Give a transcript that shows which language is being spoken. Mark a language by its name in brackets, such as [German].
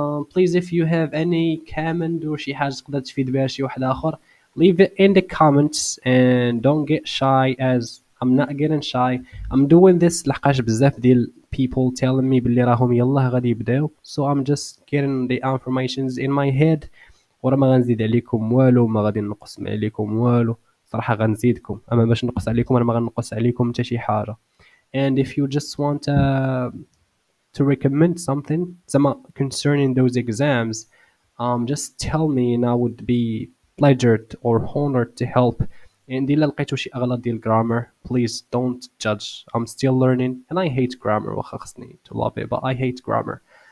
[English] Please if you have any comment or [Arabic] شي حاجة تقدر تفيد بها شي واحد آخر [English] leave it in the comments and don't get shy as I'm not getting shy. I'm doing this [Arabic] لحقاش بزاف ديال [English] people telling me [Arabic] باللي راهم يلا غادي يبداو. [English] So I'm just getting the affirmations in my head. [Arabic] ورا ما غنزيد عليكم والو، ما غادي نقص عليكم والو، صراحة غنزيدكم. أما باش نقص عليكم أنا ما غنقص عليكم حتى شي حاجة. [English] And if you just want to recommend something concerning those exams, just tell me and I would be pleasured or honored to help. [Arabic] And إلا لقيتو شي أغلاط ديال grammar [English] please don't judge. I'm still learning and I hate grammar. [Arabic] واخا خصني [English] to love it but I hate grammar.